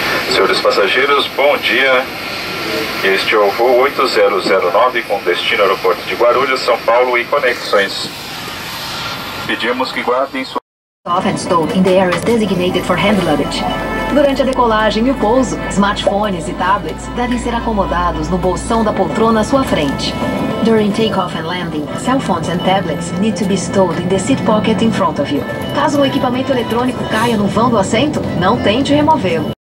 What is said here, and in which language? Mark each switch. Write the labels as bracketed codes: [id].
[pt] Senhores passageiros, bom dia. Este é o voo 8009 com destino ao aeroporto de Guarulhos, São Paulo e conexões. Pedimos que guardem sua... [en] off and stowed in the areas designated for hand luggage. [pt] Durante a decolagem e o pouso, smartphones e tablets devem ser acomodados no bolsão da poltrona à sua frente. [en] During takeoff and landing, cell phones and tablets need to be stowed in the seat pocket in front of you. [pt] Caso um equipamento eletrônico caia no vão do assento, não tente removê-lo.